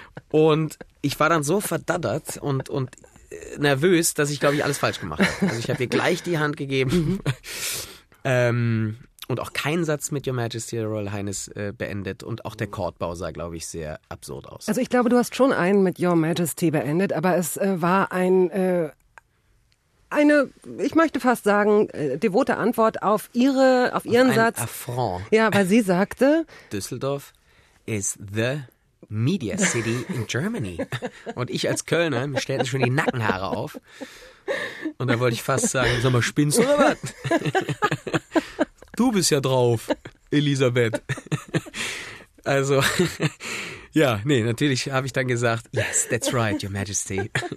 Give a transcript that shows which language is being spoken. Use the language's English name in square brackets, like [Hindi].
[German] Und ich war dann so verdattert und nervös, dass ich, glaube ich, alles falsch gemacht habe. Also ich habe ihr gleich die Hand gegeben und auch keinen Satz mit Your Majesty, Your Royal Highness beendet. Und auch der Courtbau sah, glaube ich, sehr absurd aus. Also ich glaube, du hast schon einen mit Your Majesty beendet, aber es war eine, ich möchte fast sagen, devote Antwort auf ihren Satz. Ein Affront. Ja, weil sie sagte, [English] Düsseldorf is the Media City in Germany. [German] Und ich als Kölner, mir stellten schon die Nackenhaare auf. Und da wollte ich fast sagen, sag mal, spinnst du oder was? Du bist ja drauf, Elisabeth. Also, ja, nee, natürlich habe ich dann gesagt, [English] yes, that's right, Your Majesty.